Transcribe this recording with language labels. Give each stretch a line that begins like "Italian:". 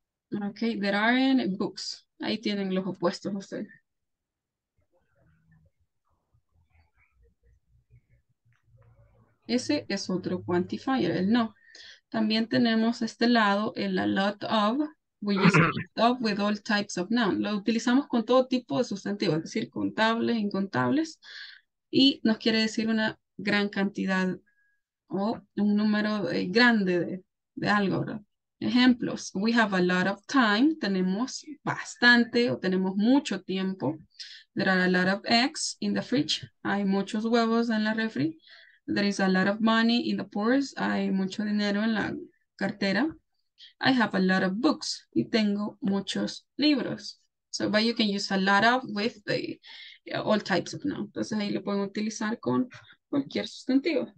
Spanish: Uh-huh.
English: Okay, there aren't books.
Spanish: Ahí tienen los opuestos ustedes. Ese es otro quantifier, el no. También tenemos este lado, el a lot of.
English: We use of with all types of noun.
Spanish: Lo utilizamos con todo tipo de sustantivos, es decir, contables, incontables. Y nos quiere decir una gran cantidad o un número grande de algo, ¿verdad? Ejemplos.
English: We have a lot of time.
Spanish: Tenemos bastante o tenemos mucho tiempo.
English: There are a lot of eggs in the fridge.
Spanish: Hay muchos huevos en la refri.
English: There is a lot of money in the purse.
Spanish: Hay mucho dinero en la cartera.
English: I have a lot of books.
Spanish: Y tengo muchos libros.
English: So, but you can use a lot of with the... All types of noun.
Spanish: Entonces ahí lo pueden utilizar con cualquier sustantivo.